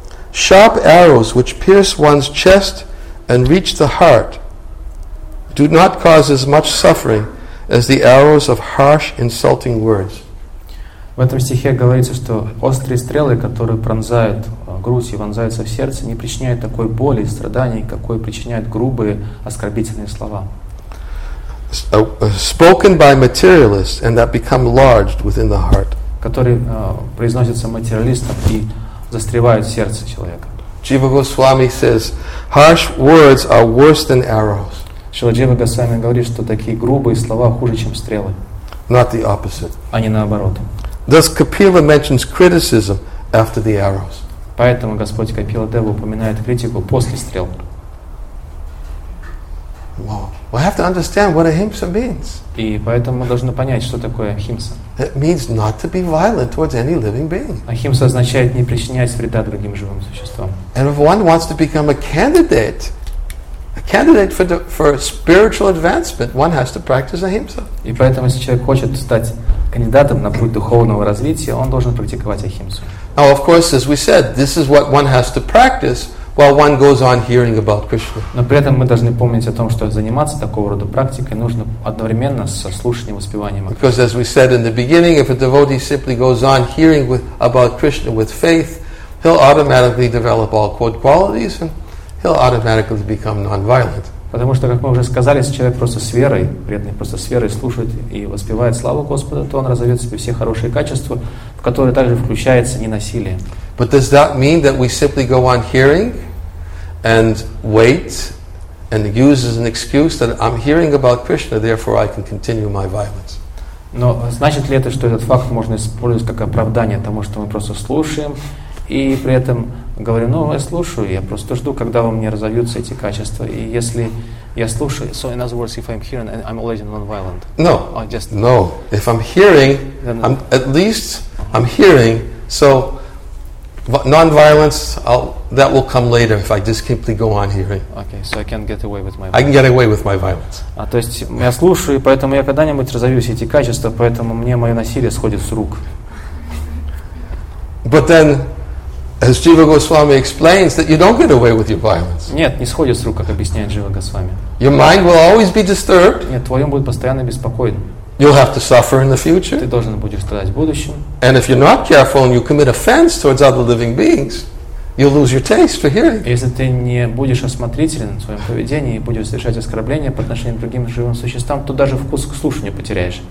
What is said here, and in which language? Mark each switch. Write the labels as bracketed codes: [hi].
[en] Sharp arrows which pierce one's chest and reach the heart do not cause as much suffering as the arrows of harsh, insulting words. [ru] В этом стихе говорится, что острые стрелы, которые пронзают грудь и вонзаются в сердце, не причиняют такой боли и страданий, какой причиняют грубые оскорбительные слова. [en] Spoken by materialists and that become lodged within the heart. [ru] Которые произносятся материалистом и застревают в сердце человека. [en] Jiva Goswami says, harsh words are worse than arrows. [ru] Шрила Джива Госвами говорит, что такие грубые слова хуже, чем стрелы. [en] Not the opposite. [ru] А не наоборот. [en] Thus Kapila mentions criticism after the arrows. [ru] Поэтому Господь Капила Дева упоминает критику после стрел. [en] Wow. We have to understand what ahimsa means. [ru] И поэтому мы должны понять, что такое ахимса. [en] It means not to be violent towards any living being. [ru] Ахимса означает не причинять вреда другим живым существам. [en] And if one wants to become a candidate for spiritual advancement, one has to practice ahimsa. [ru] И поэтому, если человек хочет стать кандидатом на путь духовного развития, он должен практиковать ахимсу. [en] Now, of course, as we said, this is what one has to practice while one goes on hearing about Krishna. [ru] Но при этом мы должны помнить о том, что заниматься такого рода практикой нужно одновременно со слушанием и воспеванием. [en] Because, as we said in the beginning, if a devotee simply goes on hearing about Krishna with faith, he'll automatically develop all quote qualities and he'll automatically become non-violent. [ru] Потому что, как мы уже сказали, если человек просто с верой, преданный просто с верой слушает и воспевает славу Господа, то он разовьет в себе все хорошие качества, в которые также включается ненасилие. [en] But does that mean that we simply go on hearing and wait and use as an excuse that I'm hearing about Krishna, therefore I can continue my violence? [ru] Но значит ли это, что этот факт можно использовать как оправдание тому, что мы просто слушаем и при этом говорю, ну, я слушаю, я просто жду, когда во мне разовьются эти качества. И если я слушаю... [en] So, in other words, if I'm hearing, I'm already non-violent. No. If I'm hearing, then I'm at least I'm hearing. So nonviolence, that will come later if I just simply go on hearing. Okay, so I can get away with my violence. I can get away with my violence. [ru] А то есть я слушаю, поэтому я когда-нибудь разовьюсь эти качества, поэтому мне мое насилие сходит с рук. [en] But then, as Jiva Goswami explains, that you don't get away with your violence. [ru] Нет, не сходит с рук, как объясняет Джива Госвами. [en] Your mind will always be disturbed. [ru] Нет, твой ум будет постоянно беспокоен. [en] You'll have to suffer in the future. [ru] Ты должен будешь страдать в будущем. [en] And if you're not careful and you commit offense towards other living beings, you'll lose your taste for hearing. [ru] Если ты не будешь осмотрителен в своем поведении и будешь совершать оскорбления по отношению к другим живым существам, то даже вкус к слушанию потеряешь.